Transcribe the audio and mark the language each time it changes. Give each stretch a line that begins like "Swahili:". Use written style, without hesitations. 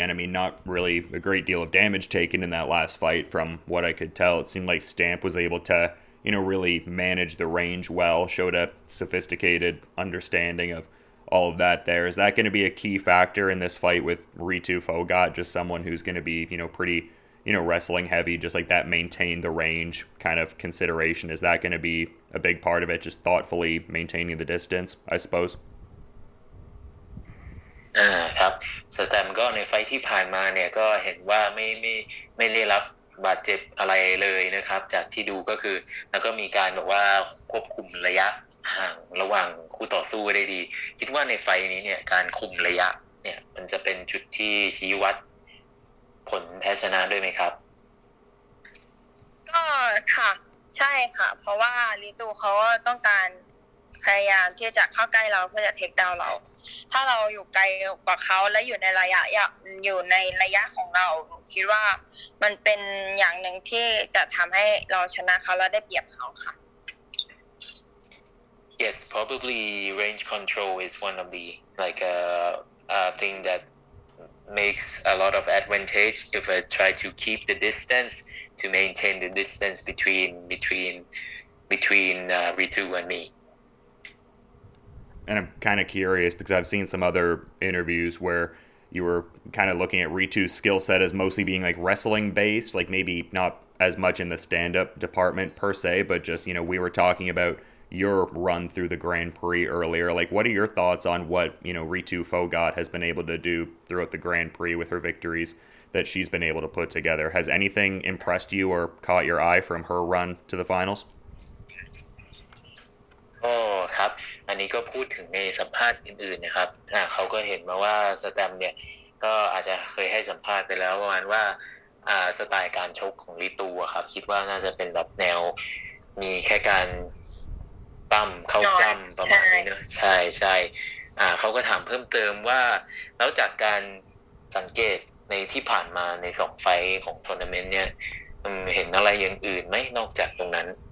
English: And I mean, not really a great deal of damage taken in that last fight from what I could tell. It seemed like Stamp was able to, you know, really manage the range well, showed a sophisticated understanding of all of that there. Is that going to be a key factor in this fight with Ritu Fogat, just someone who's going to be, you know, pretty, you know, wrestling heavy, just like that maintain the range kind of consideration? Is that going to be a big part of it, just thoughtfully maintaining the distance, I suppose?
Thai: ครับสแตมก็ในไฟท์ที่ผ่านมาเนี่ยก็เห็นว่าไม่ได้รับบาดเจ็บอะไรเลยนะครับจากที่ดูก็คือแล้วก็มีการบอกว่าควบคุมระยะห่างระหว่างคู่ต่อสู้ได้ดีคิดว่าในไฟท์นี้เนี่ยการคุมระยะเนี่ยมันจะเป็นจุดที่ชี้วัดผลแพ้ชนะด้วยไหมครับ ก็ค่ะใช่ค่ะเพราะว่าลิตูเขาต้องการพยายามที่จะเข้าใกล้เราเพื่อจะเทคดาวน์เราถ้าเราอยู่ไกลกว่าเขาและอยู่ในระยะของเราคิดว่ามันเป็นอย่างหนึ่งที่จะทำให้เราชนะเขาและได้เปรียบเขาค่ะ
English: Yes probably range control is one of the like a thing that makes a lot of advantage if I try to keep the distance to maintain the distance between Ritu and me And I'm kind of curious because I've seen some other interviews where you were kind of looking at Ritu's skill set as mostly being like wrestling based, like maybe not as much in the stand-up department per se, but just, you know, we were talking about your run through the Grand Prix earlier. Like, what are your thoughts on what, you know, Ritu Fogat has been able to do throughout the Grand Prix with her victories that she's been able to put together? Has anything impressed you or caught your eye from her run to the finals?
Thai: โอ้ครับอันนี้ก็พูดถึงในสัมภาษณ์อื่นๆนะครับเขาก็เห็นมาว่าสแตมเนี่ยก็อาจจะเคยให้สัมภาษณ์ไปแล้วประมาณว่าสไตล์การชกของลิตูครับคิดว่าน่าจะเป็นแบบแนวมีแค่การตั้มเข้าตั้มประมาณนี้เนอะใช่ใช่เขาก็ถามเพิ่มเติมว่าแล้วจากการสังเกตในที่ผ่านมาในสองไฟท์ของทัวร์นาเมนต์เนี่ยเห็นอะไรอย่างอื่นไหมนอกจากตรงนั้น